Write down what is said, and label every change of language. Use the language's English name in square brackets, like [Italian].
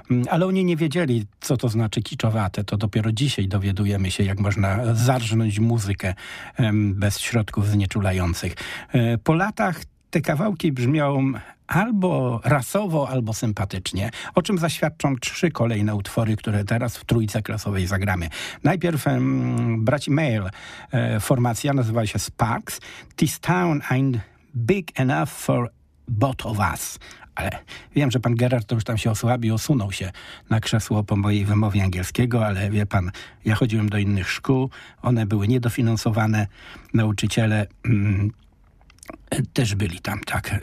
[Polish] Ale oni nie wiedzieli, co to znaczy kiczowate. To dopiero dzisiaj dowiadujemy się, jak można zarżnąć muzykę bez środków znieczulających. Po latach te kawałki brzmią albo rasowo, albo sympatycznie, o czym zaświadczą trzy kolejne utwory, które teraz w trójce klasowej zagramy. Najpierw braci Mail, formacja nazywa się Sparks. [English] This town ain't big enough for both of us. [Polish] Ale wiem, że pan Gerard to już tam się osłabił, osunął się na krzesło po mojej wymowie angielskiego, ale wie pan, ja chodziłem do innych szkół, one były niedofinansowane, nauczyciele też byli tam, tak.